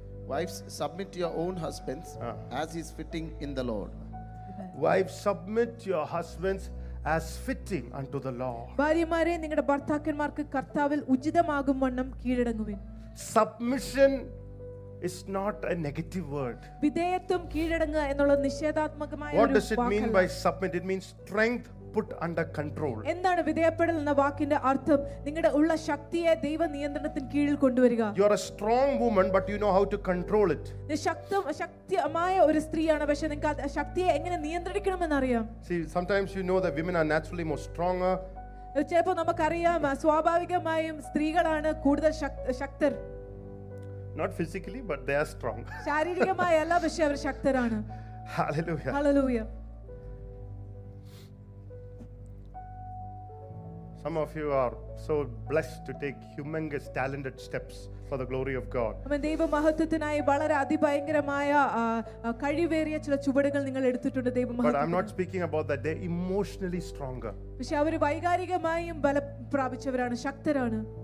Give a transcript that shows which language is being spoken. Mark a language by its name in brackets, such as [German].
[English] Wives, submit to your own husbands as is fitting in the Lord. Wives, submit your husbands as fitting unto the Lord. [Malayalam] ഭാര്യമാരെ നിങ്ങളുടെ ഭർത്താക്കന്മാർക്ക് കർത്താവിൽ ഉചിതമാകും വണ്ണം കീഴടങ്ങുവിൻ. [English] Submission is not a negative word. [Malayalam] വിധേയത്വം കീഴടങ്ങുക എന്നുള്ള നിഷേധാത്മകമായ ഒരു വാക്കല്ല. [English] What does it mean by submit? It means strength put under control. [Malayalam] എന്താണ് വിധേയപ്പെടൽ എന്ന വാക്കിന്റെ അർത്ഥം? നിങ്ങളുടെ ഉള്ള ശക്തിയെ ദൈവ നിയന്ത്രണത്തിൻ കീഴിൽ കൊണ്ടുവരിക. [English] You are a strong woman but you know how to control it. [Malayalam] ശക്തമായ ഒരു സ്ത്രീയാണ് പക്ഷേ നിങ്ങൾക്ക് ആ ശക്തിയെ എങ്ങനെ നിയന്ത്രിക്കണമെന്ന് അറിയാം. [English] See, sometimes you know that women are naturally more stronger. [Malayalam] ചിലപ്പോ നമുക്കറിയാം സ്വാഭാവികമായും സ്ത്രീകളാണ് കൂടുതൽ Shakdher. [English] Not physically but they are strong. [Malayalam] ശാരീരികമായി അല്ല പക്ഷേ അവർ ശക്തരാണ്. [English] Hallelujah. Hallelujah. Some of you are so blessed to take humongous talented steps for the glory of God. [Malayalam] അമേൻ. ദൈവമഹത്വത്തിനായി വളരെ അതിഭയങ്കരമായ കഴിവേറിയ ചില ചുവടുകൾ നിങ്ങൾ എടുത്തിട്ടുണ്ട് ദൈവമഹത്വത്തിന്. [English] But I'm not speaking about that. They're emotionally stronger. [Malayalam] പക്ഷേ അവർ വൈകാരികമായും ബലം പ്രാപിച്ചവരാണ് ശക്തരാണ്.